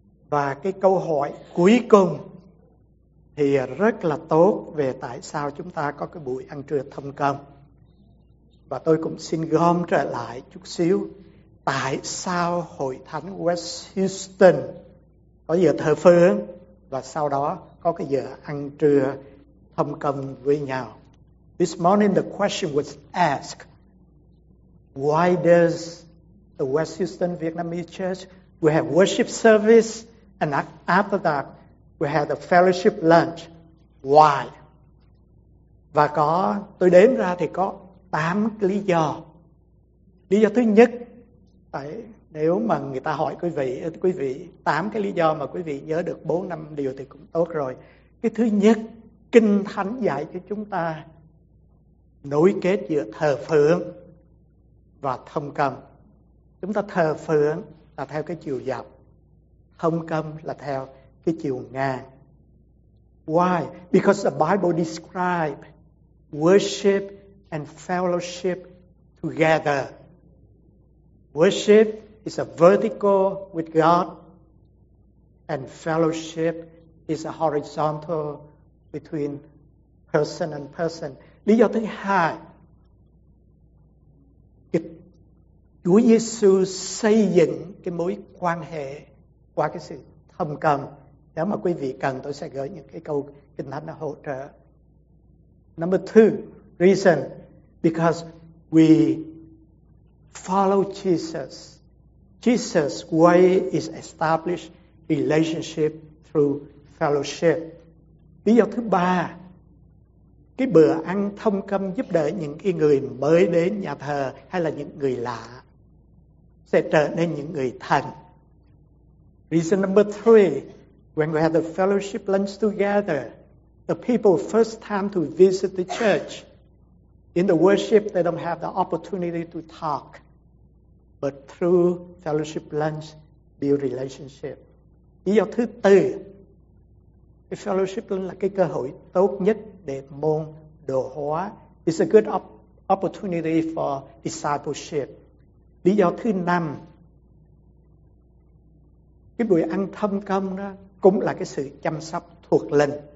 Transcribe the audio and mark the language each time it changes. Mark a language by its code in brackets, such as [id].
[vi] Và cái câu hỏi cuối cùng thì rất là tốt về tại sao chúng ta có cái buổi ăn trưa thông công. Và tôi cũng xin gom trở lại chút xíu, tại sao Hội Thánh West Houston có giờ thờ phượng và sau đó có cái giờ ăn trưa thông công với nhau. [en] This morning the question was asked, why does the West Houston Vietnamese Church, we have worship service and after that we have the fellowship lunch, why? [vi] Và có, tôi đếm ra thì có 8 lý do. Lý do thứ nhất, nếu mà người ta hỏi quý vị 8 cái lý do mà quý vị nhớ được 4-5 điều thì cũng tốt rồi. Cái thứ nhất, Kinh Thánh dạy cho chúng ta nối kết giữa thờ phượng và thông công. Chúng ta thờ phượng là theo cái chiều dọc, thông công là theo cái chiều ngang. [en] Why? Because the Bible describes worship and fellowship together. Worship is a vertical with God, and fellowship is a horizontal between person and person. [vi] Lý do thứ hai, Chúa Giêsu xây dựng cái mối quan hệ qua cái sự thông công. Nếu mà quý vị cần, tôi sẽ gửi những cái câu Kinh Thánh hỗ trợ. [en] Number two reason, because we follow Jesus. Jesus' way is established relationship through fellowship. [vi] Lý do thứ ba, cái bữa ăn thông công giúp đỡ những cái người mới đến nhà thờ hay là những người lạ sẽ trở nên những người thân. [en] Reason number three, when we have the fellowship lunch together, the people first time to visit the church, in the worship they don't have the opportunity to talk, but through fellowship lunch build relationship. [vi] Lý do thứ tư, cái fellowship lunch là cái cơ hội tốt nhất để môn đồ hóa. [en] It's a good opportunity for discipleship. [vi] Lý do thứ năm, cái buổi ăn thông công đó cũng là cái sự chăm sóc thuộc linh.